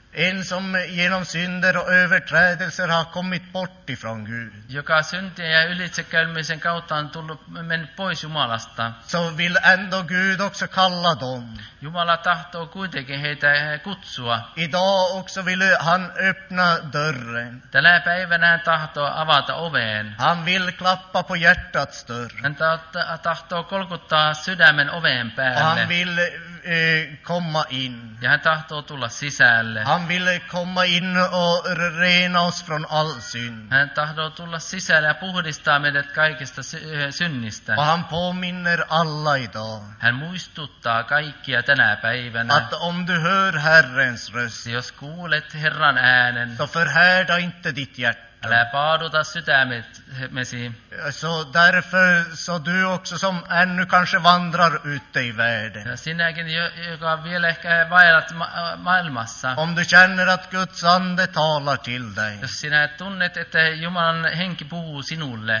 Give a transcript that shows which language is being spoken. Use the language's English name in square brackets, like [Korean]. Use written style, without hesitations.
[Swedish] En som genom synder och överträdelser har kommit bort ifrån Gud. [Finnish] Joka syntien ja ylitsekäymisen kautta on tullut mennyt pois Jumalasta. [Swedish] Så vill ändå Gud också kalla dem. [Finnish] Jumala tahtoo kuitenkin heitä kutsua. [Swedish] Idag också vill han öppna dörren. [Finnish] Tänä päivänä hän tahtoo avata oveen. [Swedish] Han vill klappa på hjärtats dörr. [Finnish] Hän tahtoo kolkuttaa sydämen oveen päälle. [Swedish] Han vill komma in. [Finnish] Ja hän tahtoo tulla sisälle. [Swedish] Han ville komma in och rena oss från all synd. [Finnish] Hän tahtoo tulla sisälle ja puhdistaa meidät kaikista synnistä. [Swedish] Och han påminner alla idag. [Finnish] Hän muistuttaa kaikkia tänä päivänä. [Swedish] Att om du hör Herrens röst. [Finnish] Jos kuulet Herran äänen. [Swedish] Så förhärda inte ditt hjärta. [Finnish] Älä paaduta sydämesi. [Swedish] Så därför så du också som ännu kanske vandrar ute i världen. [Finnish] Ja sinäkin, joka vielä ehkä vaellat maailmassa. [Swedish] Om du känner att Guds ande talar till dig. [Finnish] Jos sinä tunnet, että Jumalan henki puhuu sinulle.